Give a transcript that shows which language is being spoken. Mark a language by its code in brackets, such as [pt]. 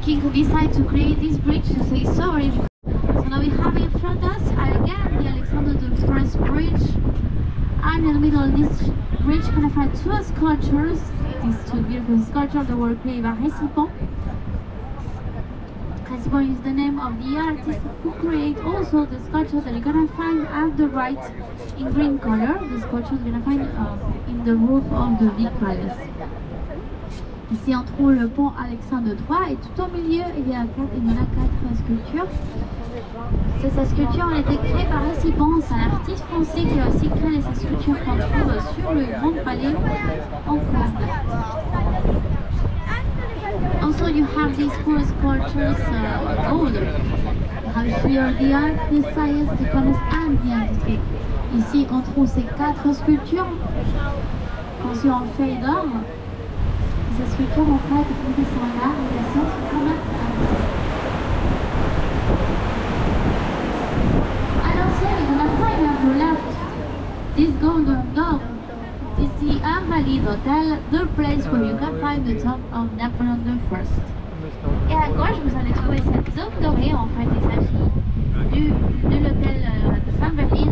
[en] king decide to create this bridge to say sorry. So now we have in front of us again the Alexander the First Bridge, and in the middle of this bridge kind of had two sculptures, these two beautiful sculptures that were created by Récipon. Récipon is the name of the artist who created also the sculpture that you're gonna find at the right in green color, the sculpture you're gonna find in the roof of the big palace. [fr] Ici on trouve le pont Alexandre III et tout au milieu il y a quatre sculptures. C'est sa sculpture, elle a été créée par Récipon, c'est un artiste français qui a aussi créé sa sculpture qu'on trouve sur le Grand Palais en France. [en] Also you have these four sculptures gold. You have here the art, the science, the commerce and the industry. [fr] Ici on trouve ces quatre sculptures qu'on se en fait d'or. Ces sculptures en fait sont là, la science, le commerce. [en] Alors here on the side of the left, this golden door. This is the Amalie Hotel, the place where you can find the tomb of Napoleon the First. [fr] Et à gauche, vous allez trouver cette zone dorée, en fait, il s'agit de l'hôtel de Saint-Valide.